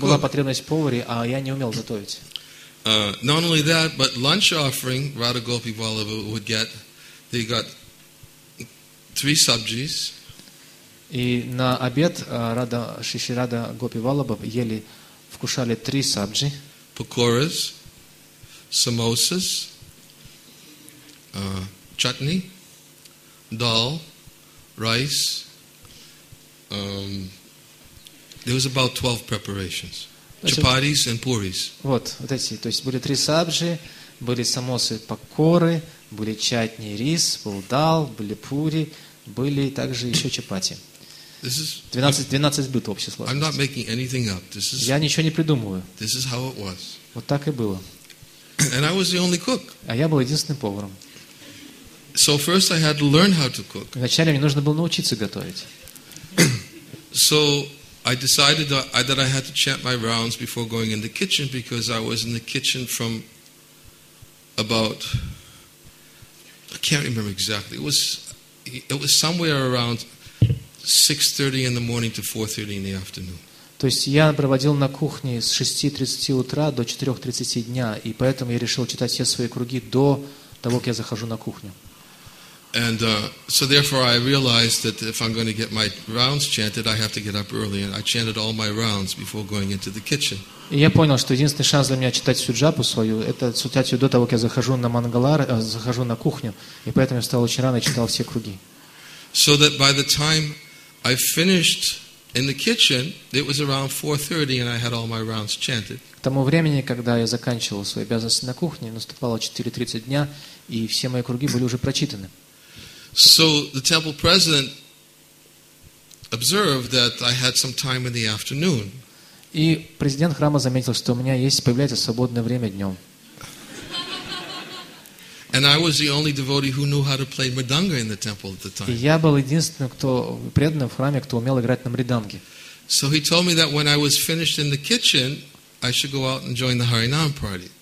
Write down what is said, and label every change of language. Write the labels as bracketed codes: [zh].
[ru] Была потребность в поваре, а я не умел готовить. [en] Not only that, but lunch offering Radha Gopi Balava would get, they got 3 subjis. [ru] И на обед Радха Гопи Валлабха ели, вкушали 3 сабджи. [en] Pakoras, samosas, chutney, dal, rice. There was about 12 preparations. Chapatis and puris. [ru] Вот, вот эти, то есть были 3 сабжи, были самосы, пакоры, были чатни, рис, был дал, были пури, были также еще чапати. 12 быт в общей сложности. [en] I'm not making anything up. This is. [ru] Я ничего не придумываю. [en] This is how it was. [ru] Вот так и было. [en] And I was the only cook. [ru] А я был единственным поваром. [en] So first I had to learn how to cook. [ru] Вначале мне нужно было научиться готовить. [en] So I decided that I had to chant my rounds before going in the kitchen because I was in the kitchen from about, I can't remember exactly. It was somewhere around 6:30 in the morning to 4:30 in the afternoon. [ru] То есть я проводил на кухне с 6:30 утра до 4:30 дня, и поэтому я решил читать все свои круги до того, как я захожу на кухню. [en] And so therefore I realized that if I'm going to get my rounds chanted, I have to get up early. And I chanted all my rounds before going into the kitchen. [ru] И я понял, что единственный шанс для меня читать всю джапу свою, это читать ее до того, как я захожу на мангалар, захожу на кухню. И поэтому я встал очень рано и читал все круги. [en] So that by the time I finished in the kitchen, it was around 4:30 and I had all my rounds chanted. [ru] К тому времени, когда я заканчивал свои обязанности на кухне, наступало 4:30 дня, и все мои круги были уже прочитаны. [en] So the temple president observed that I had some time in the afternoon. [ru] И президент храма заметил, что у меня есть появляется свободное время днем. [en] And I was the only devotee who knew how to play mridanga in the temple at the time. [ru] И я был единственным, кто преданным в храме, кто умел играть на мриданге. [en] So he told me that when I was finished in the kitchen, I should go out and join the Harinam party.